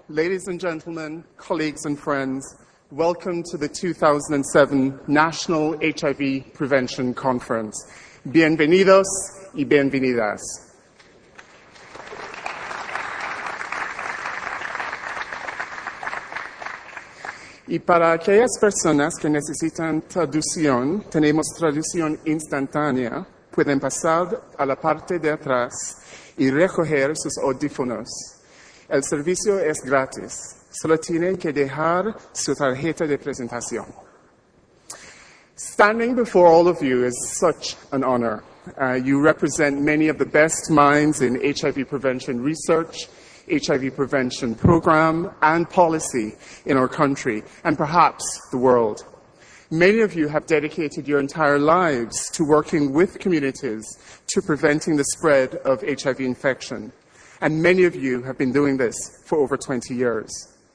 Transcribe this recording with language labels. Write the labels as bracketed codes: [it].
[en] Ladies and gentlemen, colleagues and friends, welcome to the 2007 National HIV Prevention Conference. [es] Bienvenidos y bienvenidas. Y para aquellas personas que necesitan traducción, tenemos traducción instantánea. Pueden pasar a la parte de atrás y recoger sus audífonos. El servicio es gratis. Solo tienen que dejar su tarjeta de presentación. [en] Standing before all of you is such an honor. You represent many of the best minds in HIV prevention research, HIV prevention program and policy in our country, and perhaps the world. Many of you have dedicated your entire lives to working with communities to preventing the spread of HIV infection, and many of you have been doing this for over 20 years.